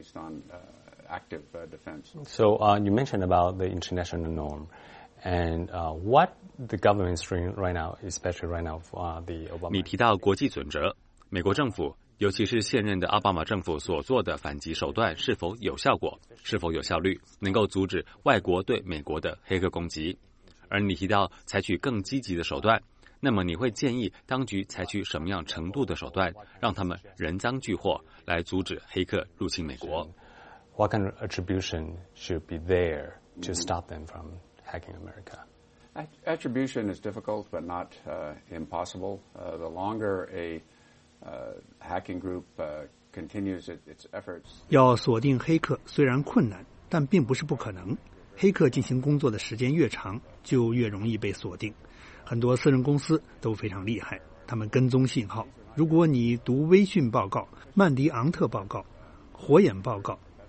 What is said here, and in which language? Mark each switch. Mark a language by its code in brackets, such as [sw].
[en] You mentioned about the international norm, and what the government is doing right now, especially right now for the Obama. [zh] 你提到国际准则，美国政府，尤其是现任的奥巴马政府所做的反击手段是否有效果，是否有效率，能够阻止外国对美国的黑客攻击？而你提到采取更积极的手段，那么你会建议当局采取什么样程度的手段，让他们人赃俱获，来阻止黑客入侵美国？ [en] What kind of attribution should be there to stop them from hacking America? Attribution is difficult, but not impossible. The longer a hacking group continues its efforts, [zh] 要锁定黑客虽然困难，但并不是不可能。黑客进行工作的时间越长，就越容易被锁定。很多私人公司都非常厉害，他们跟踪信号。如果你读微信报告、曼迪昂特报告、火眼报告。